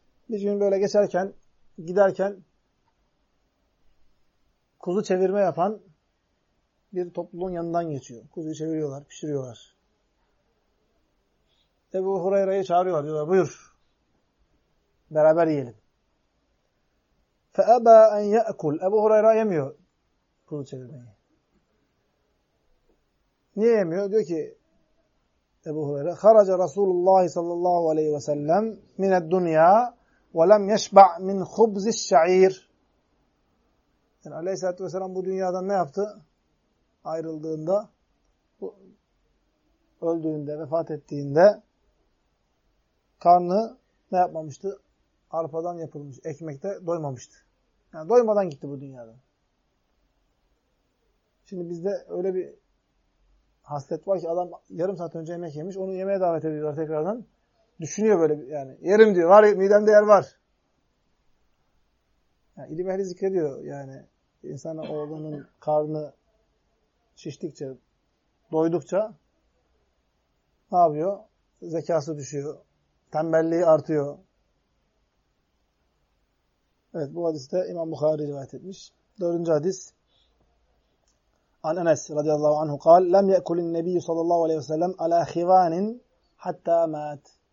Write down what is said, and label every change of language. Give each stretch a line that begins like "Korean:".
Turkish: Bir gün böyle geçerken, giderken kuzu çevirme yapan bir topluluğun yanından geçiyor. Kuzuyu çeviriyorlar, pişiriyorlar. Ebu Hureyre'yi çağırıyorlar, diyorlar buyur. Beraber yiyelim.
Arabic: فَأَبَا اَنْ يَأْكُلْ
Turkish: Ebu Hureyre yemiyor kuzu çevirmeyi. Niye yemiyor? Diyor ki Ebu Hureyre
Arabic: خَرَجَ رَسُولُ اللّٰهِ صَلَّ اللّٰهُ عَلَيْهِ وَسَلَّمْ مِنَ الدُّنْيَا وَلَمْ يَشْبَعْ مِنْ خُبْزِ الشَّعِيرِ
Turkish: Yani Aleyhisselatü Vesselam bu dünyadan ne yaptı? Ayrıldığında, öldüğünde, vefat ettiğinde karnı ne yapmamıştı? Arpadan yapılmış ekmekte doymamıştı. Yani doymadan gitti bu dünyadan. Şimdi bizde öyle bir hasret var ki adam yarım saat önce yemek yemiş. Onu yemeğe davet ediyorlar tekrardan. Düşünüyor böyle yani. Yerim diyor. Var midemde yer var. Yani ilim ehli zikrediyor yani. İnsanın oğlunun karnı şiştikçe, doydukça ne yapıyor? Zekası düşüyor. Tembelliği artıyor. Evet, bu hadiste İmam Bukhari rivayet etmiş. Dördüncü hadis.
Arabic: An Enes radıyallahu anhu قال لم يأكل النبي صلى الله عليه وسلم على خوان حتى مات.